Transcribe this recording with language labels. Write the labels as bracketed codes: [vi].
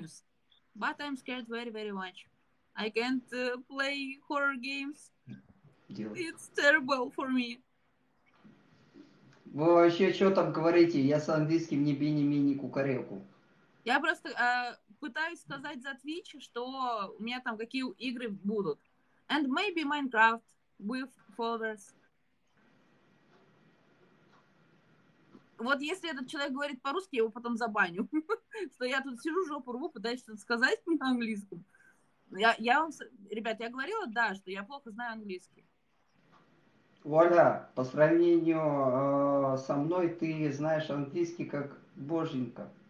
[en] games, but I'm scared very, very much. I can't play horror games. [ru] Делай. [en] It's terrible for me. [ru] Вы вообще что там говорите? Я с английским не бини-мини кукареку. Я просто пытаюсь сказать за Twitch, что у меня там какие игры будут. [en] And maybe Minecraft with followers. [ru] Вот если этот человек говорит по-русски, я его потом забаню. Что я тут сижу, жопу рву, пытаюсь что-то сказать на английском. Я вам, ребят, я говорила, да, что я плохо знаю английский. Оля, по сравнению со мной, ты знаешь английский как боженька.